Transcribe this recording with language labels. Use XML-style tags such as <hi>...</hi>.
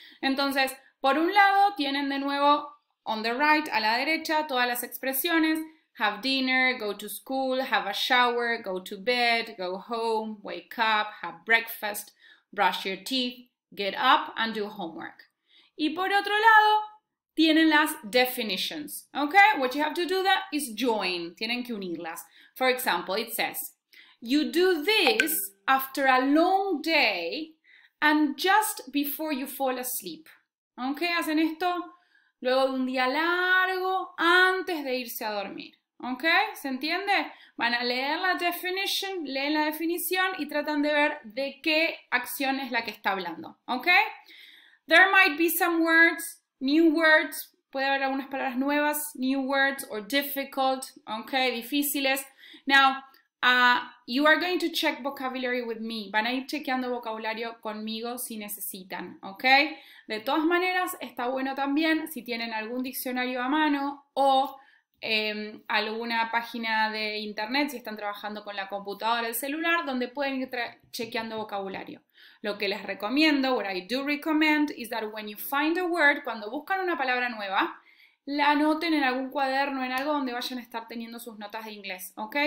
<es>Entonces, por un lado, tienen de nuevo,</es> <en>on the right,</en> <es>a la derecha, todas las expresiones,</es> <en>have dinner, go to school, have a shower, go to bed, go home, wake up, have breakfast, brush your teeth, get up, and do homework.</en> <es>Y por otro lado, tienen las definitions, okay?</es> <en>What you have to do that is join,</en> <es>tienen que unirlas.</es> <en>For example, it says, you do this after a long day and just before you fall asleep.</en> <es>Okay, hacen esto luego de un día largo antes de irse a dormir. Okay, ¿se entiende? Van a leer la definition, leen la definición y tratan de ver de qué acción es la que está hablando.</es> <en>Okay, there might be some words, new words,</en> <es>puede haber algunas palabras nuevas,</es> <en>new words, or difficult, okay,</en> <es>difíciles.</es> <en>Now, you are going to check vocabulary with me.</en> <es>Van a ir chequeando vocabulario conmigo si necesitan, okay? De todas maneras, está bueno también si tienen algún diccionario a mano o alguna página de internet, si están trabajando con la computadora o el celular, donde pueden ir chequeando vocabulario. Lo que les recomiendo,</es> <en>what I do recommend,</en> <es>is that when you find a word, cuando buscan una palabra nueva, la anoten en algún cuaderno, en algo donde vayan a estar teniendo sus notas de inglés, ¿ok?</es>